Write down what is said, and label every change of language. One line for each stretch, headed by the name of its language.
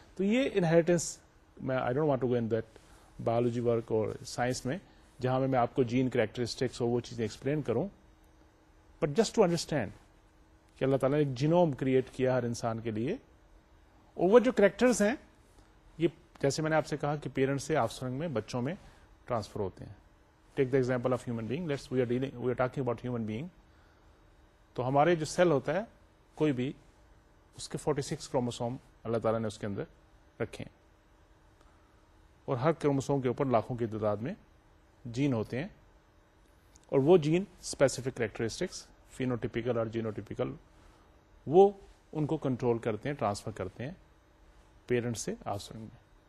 Urdu: تو یہ انہیریٹنس, میں
English: I don't want to go in that biology work
Urdu: اور سائنس میں جہاں میں آپ کو جین کریکٹرسٹکس اور وہ چیزیں ایکسپلین کروں,
English: but just to understand
Urdu: کہ اللہ تعالیٰ نے ایک جینوم کریٹ کیا ہر انسان کے لیے, اور وہ جو کریکٹرس ہیں یہ جیسے میں نے آپ سے کہا کہ پیرنٹس سے آفسرنگ میں بچوں میں ٹرانسفر ہوتے ہیں.
English: Take the example of human being, let's we are dealing we are talking about human being.
Urdu: تو ہمارے جو سیل ہوتا ہے کوئی بھی, اس کے 46 کروموسوم اللہ تعالیٰ نے اس کے اندر رکھے ہیں, اور ہر کروموسوم کے اوپر لاکھوں کی تعداد میں جین ہوتے ہیں, اور وہ جین اسپیسیفک کریکٹرسٹکس فینوٹیپیکل اور جینوٹیپیکل وہ ان کو کنٹرول کرتے ہیں, ٹرانسفر کرتے ہیں پیرنٹ سے آفسپرنگ میں.